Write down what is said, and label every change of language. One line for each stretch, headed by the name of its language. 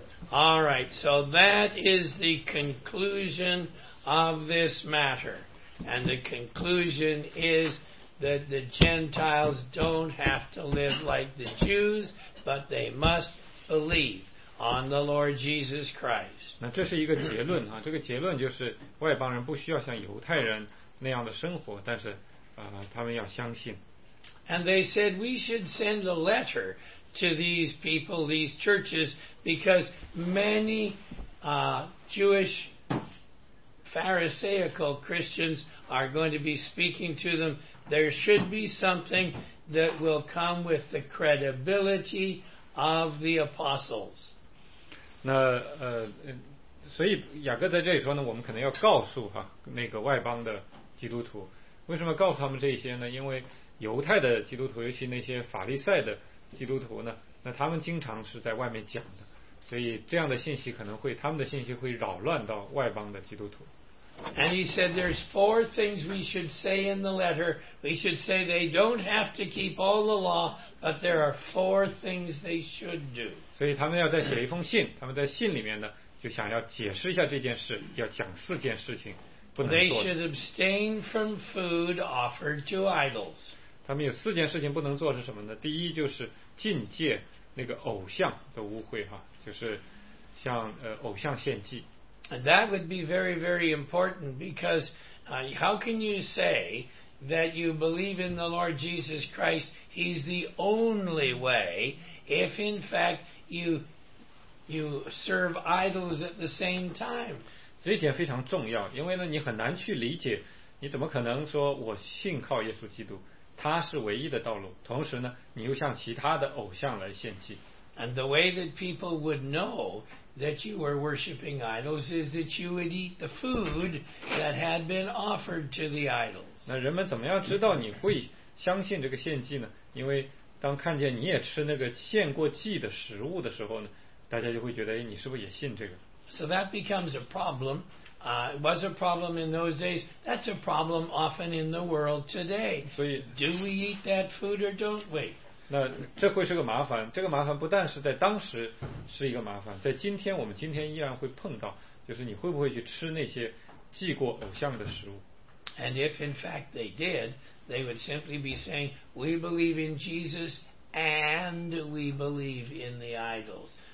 English: All right, so that is the conclusion of this matter. And the conclusion is that the Gentiles don't have to live like the Jews, but they must believe. On the Lord Jesus Christ.
Chinese: 那这是一个结论啊，这个结论就是外邦人不需要像犹太人那样的生活，但是他们要相信。
English: And they said we should send a letter to these people, these churches, because many Jewish Pharisaical Christians are going to be speaking to them. There should be something that will come with the credibility of the apostles.
Chinese: 那所以雅各在这里说呢，我们可能要告诉哈那个外邦的基督徒，为什么告诉他们这些呢？因为犹太的基督徒，尤其那些法利赛的基督徒呢，那他们经常是在外面讲的，所以这样的信息可能会，他们的信息会扰乱到外邦的基督徒。
English: And he said there's four things we should say in the letter. We should say they don't have to keep all the law, but there are four things they should do.
Chinese: 所以他们要再写一封信，他们在信里面呢，就想要解释一下这件事，要讲四件事情不能做。
English: They should abstain from food offered to idols.
Chinese: 他们有四件事情不能做是什么呢？第一就是禁戒那个偶像的污秽哈，就是像偶像献祭。
English: And that would be very, very important because how can you say that you believe in the Lord Jesus Christ He's the only way. If in fact you serve idols at the same time,
Chinese: 这一点非常重要，因为呢，你很难去理解，你怎么可能说我信靠耶稣基督，他是唯一的道路，同时呢，你又向其他的偶像来献祭。
English: And the way that people would know that you were worshiping idols is that you would eat the food that had been offered to the idols.
Chinese: 那人们怎么样知道你会相信这个献祭呢？因为当看见你也吃那个献过祭的食物的时候呢，大家就会觉得，哎，你是不是也信这个？
English: So that becomes a problem. It was a problem in those days. That's a problem often in the world today.
Chinese: 所以
English: do we eat that food or don't we?
Chinese: 那这会是个麻烦。这个麻烦不但是在当时是一个麻烦，在今天我们今天依然会碰到，就是你会不会去吃那些祭过偶像的食物？
English: And if in fact they did, they would simply be saying, "We believe in Jesus and we believe in the idols."